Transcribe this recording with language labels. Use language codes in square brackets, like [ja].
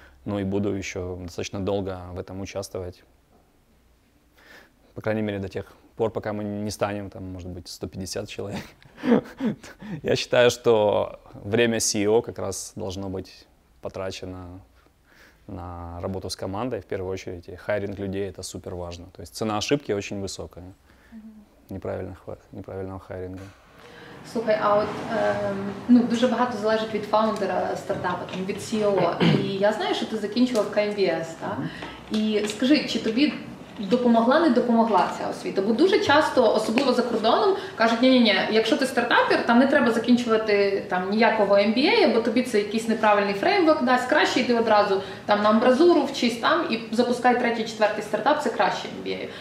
[ru] Ну и буду еще достаточно долго в этом участвовать. По крайней мере, до тех пор, пока мы не станем, там, может быть, 150 человек. Я считаю, что время CEO как раз должно быть потрачено на работу с командой, в первую очередь. Хайринг людей – это супер важно. То есть цена ошибки очень высокая. Неправильного хайринга. [uk] Слухай, а от ну, дуже багато залежить від фаундера стартапу, там, від CEO. І я знаю, що ти закінчував KMBS, так? І скажи, чи тобі допомогла, не допомогла ця освіта? Бо дуже часто, особливо за кордоном, кажуть, ні-ні-ні, якщо ти стартапер, там не треба закінчувати там, ніякого MBA, бо тобі це якийсь неправильний фреймворк дасть, краще йди одразу там, на амбразуру вчись там і запускай третій-четвертий стартап, це краще MBA.